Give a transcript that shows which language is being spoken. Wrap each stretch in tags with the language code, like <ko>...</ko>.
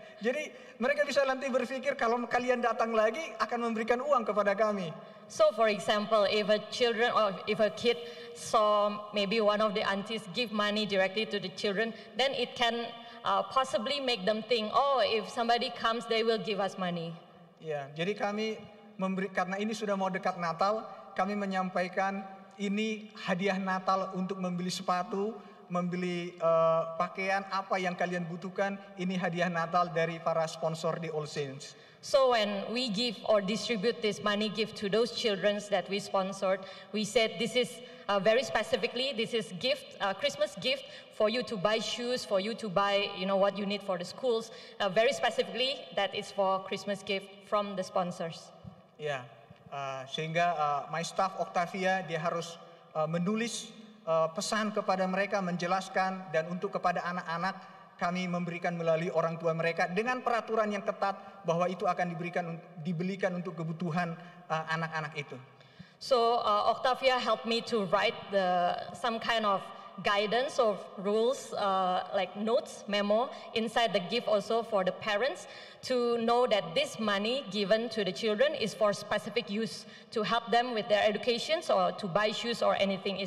<id>Jadi mereka bisa nanti berpikir kalau kalian datang lagi akan memberikan uang kepada kami.</id> <en>So for example, if a children or if a kid saw maybe one of the aunties give money directly to the children, then it can possibly make them think, oh, if somebody comes, they will give us money. Yeah.</en> <id>Jadi kami memberi, karena ini sudah mau dekat Natal, kami menyampaikan ini hadiah Natal untuk membeli sepatu, membeli pakaian apa yang kalian butuhkan. Ini hadiah Natal dari para sponsor di All Saints.</id> <en>So when we give or distribute this money gift to those children that we sponsored, we said this is very specifically, this is gift, Christmas gift for you to buy shoes, for you to buy, you know, what you need for the schools. Very specifically, that is for Christmas gift from the sponsors. Yeah.</en> <id>Sehingga</id> <en>my staff</en> <id>Octavia, dia harus menulis pesan kepada mereka, menjelaskan, dan untuk kepada anak-anak kami memberikan melalui orang tua mereka dengan peraturan yang ketat bahwa itu akan diberikan, dibelikan untuk kebutuhan anak-anak itu.</id> <en>So Octavia helped me to write the some kind of guidance or rules, like notes, memo inside the gift also for the parents to know that this money given to the children is for specific use to help them with their educations or to buy shoes or anything.</en>